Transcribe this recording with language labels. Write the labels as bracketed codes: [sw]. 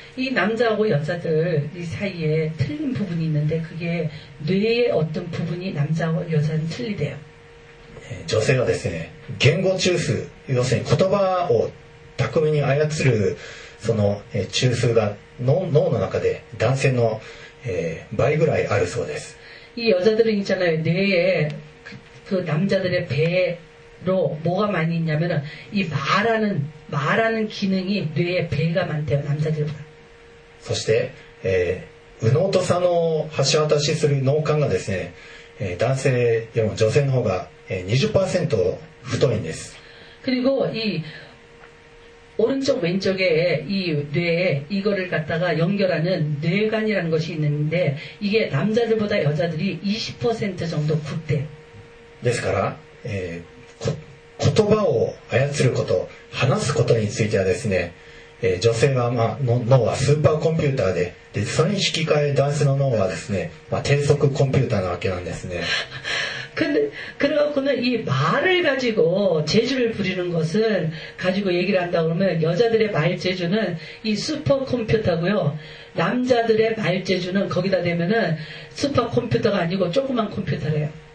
[ko] 이남자하고여자들사이에틀린부분이있는데그게뇌의어떤부분이남자하고여자는틀리대요 [ja] 女性はですね言語中枢要するに言葉を巧みに操るその中枢が脳の中で男性の倍ぐらいあるそうです。 [ko] 이여자들은있잖아요뇌에 그남자들의배로뭐가많이있냐면은이말하는기능이뇌의배가많대요남자들보다。 [ja] そして右脳と左脳を橋渡しする脳幹がですね、男性よりも女性の方が 20% 太いんです。 [ko] 그리고이오른쪽왼쪽에이뇌에이거를갖다가연결하는뇌관이라는것이있는데이게남자들보다여자들이 20% 정도굵대 [ja] ですから、言葉を操ること話すことについてはですね、女性は、まあ、脳はスーパーコンピューターで、でそれに引き換え男性の脳はですね、まあ、低速コンピューターなわけなんですね [ko] 근데그래갖고는이말을가지고재주를부리는것을가지고얘기를한다고하면여자들의말재주는이슈퍼컴퓨터고요남자들의말재주는거기다대면은슈퍼컴퓨터가아니고조그만컴퓨터래요